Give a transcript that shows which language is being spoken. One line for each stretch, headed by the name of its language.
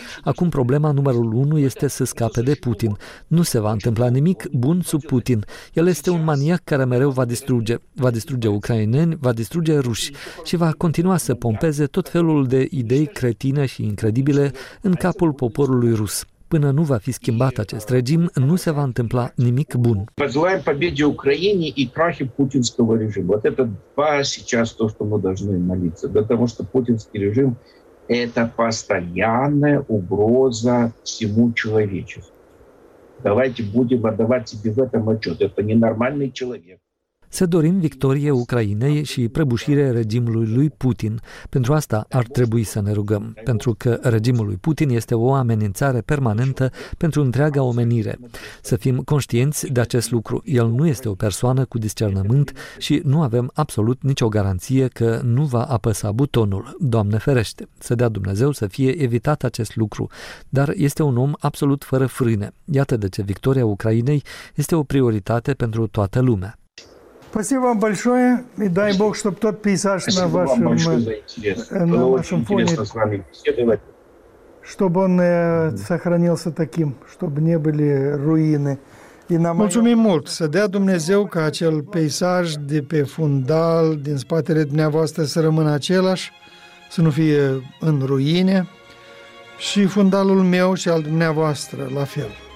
Romanian: Acum problema numărul unu este să scape de Putin. Nu se va întâmpla nimic bun sub Putin. El este un maniac care mereu va distruge. Va distruge ucraineni, va distruge ruși și va continua să pompeze tot felul de idei cretine și incredibile în capul poporului rus. Până nu va fi schimbat acest regim, nu se va întâmpla nimic bun.
Russian: Pozvăm победе Украине и крахе путинского режима. Вот это два сейчас то, что мы должны молиться, потому что путинский режим это постоянная угроза всему человечеству. Давайте будем отдавать себе в этом отчёт. Это ненормальный человек.
Romanian: Să dorim victorie Ucrainei și prăbușire regimului lui Putin. Pentru asta ar trebui să ne rugăm, pentru că regimul lui Putin este o amenințare permanentă pentru întreaga omenire. Să fim conștienți de acest lucru. El nu este o persoană cu discernământ și nu avem absolut nicio garanție că nu va apăsa butonul. Doamne ferește! Să dea Dumnezeu să fie evitat acest lucru. Dar este un om absolut fără frâne. Iată de ce victoria Ucrainei este o prioritate pentru toată lumea.
Russian: Спасибо вам большое, и дай Бог, чтобы тот пейзаж спасибо на вашем фоне, чтобы он сохранился таким, чтобы не были руины
Romanian: Mulțumim mult! Să dea Dumnezeu ca acel peisaj de pe fundal, din spatele dumneavoastră, să rămână același, să nu fie în ruine, și fundalul meu și al dumneavoastră, la fel.